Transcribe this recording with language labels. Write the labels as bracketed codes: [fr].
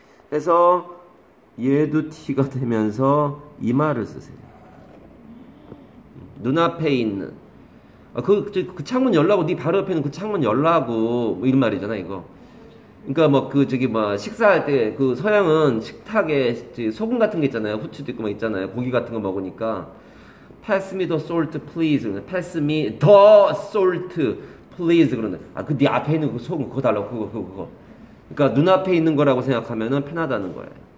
[ko] 그래서 얘도 T가 되면서 이 말을 쓰세요. 눈앞에 있는. 그 창문 열라고, 네 바로 옆에는 그 창문 열라고, 뭐 이런 말이잖아 이거. 그러니까 뭐 그 저기 뭐 식사할 때 그 서양은 식탁에 소금 같은 게 있잖아요. 후추도 있고 막 있잖아요. 고기 같은 거 먹으니까 [en] Pass me the salt, please. Pass me the salt, please. [ko] 그런데 아, 그 네 앞에 있는 그 소금 그거 달라고, 그거. 그러니까 눈앞에 있는 거라고 생각하면은 편하다는 거예요.